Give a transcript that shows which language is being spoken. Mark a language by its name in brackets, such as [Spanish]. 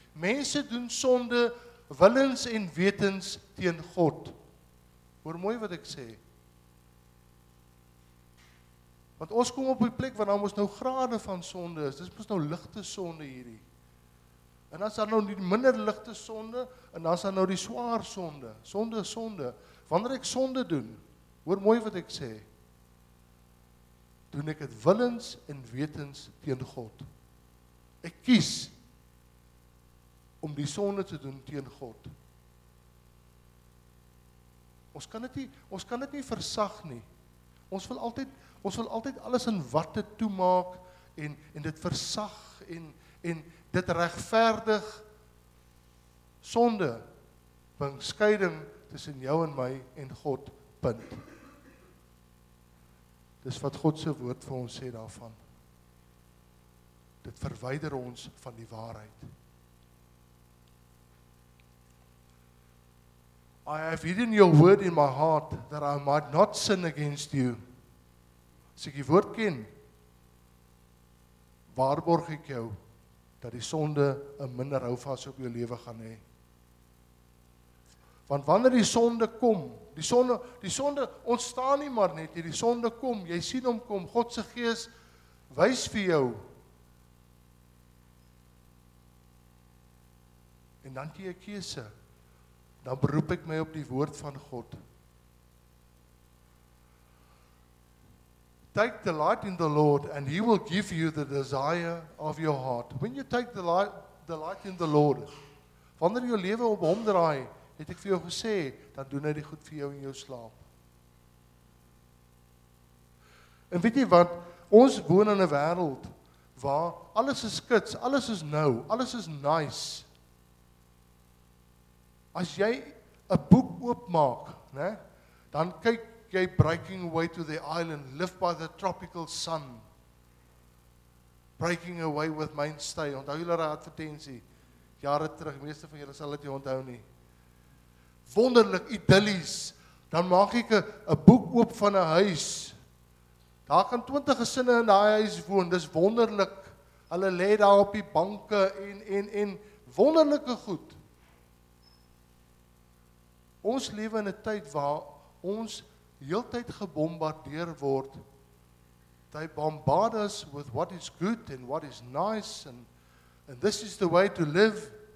[Afrikaans] Mense doen sonde willens en wetens teen God. Hoor mooi wat ek sê. Want ons kom op die plek waar ons nou grade van sonde is. Dis mos nou ligte sonde hierdie. En dan is daar nou die minder ligte sonde, en dan is daar nou die swaar sonde. Sonde is sonde. Wanneer ek sonde doen, hoor mooi wat ek sê, doen ek het willens en wetens teen God. Ek kies om die sonde te doen teen God. Ons kan dit nie versag nie. Ons wil altyd alles in watte toemaak en dit versag en dit regverdig. Sonde bring skeiding tussen jou en my en God, punt. Dis wat God se woord vir ons sê daarvan. Dit verwyder ons van die waarheid. [English] I have hidden your word in my heart that I might not sin against you. [Afrikaans] As ek die woord ken, waarborg ek jou dat die sonde 'n minder houvas op jou lewe gaan hê. Want wanneer die sonde kom, die sonde ontstaan nie maar net, die sonde kom, jy sien hom kom, God se gees wys vir jou. En dan kry jy 'n keuse. Dan beroep ek my op die woord van God. [English] Take delight in the Lord and He will give you the desire of your heart. When you take delight in the Lord, [Afrikaans] wanneer jou lewe op hom draai, het ek vir jou gesê, dan doen hy die goed vir jou in jou slaap. En weet jy wat, ons woon in 'n wêreld waar alles is kits, alles is nou, alles is nice. As jy 'n boek oopmaak, né, dan kyk jy [English] Breaking Away to the Island, Live by the Tropical Sun, Breaking Away with Mainstay. [Afrikaans] Onthou julle daai advertensie? Jare terug, meeste van julle sal dit nie onthou nie. Wonderlik, idillies. Dan maak ek 'n boek oop van 'n huis. Daar kan 20 gesinne in daai huis woon. Dis wonderlik. Hulle lê daar op die banke en wonderlike goed. Ons lewe in 'n tyd waar ons heeltyd gebombardeer word. [English] They bombard us with what is good and what is nice, and this is the way to live.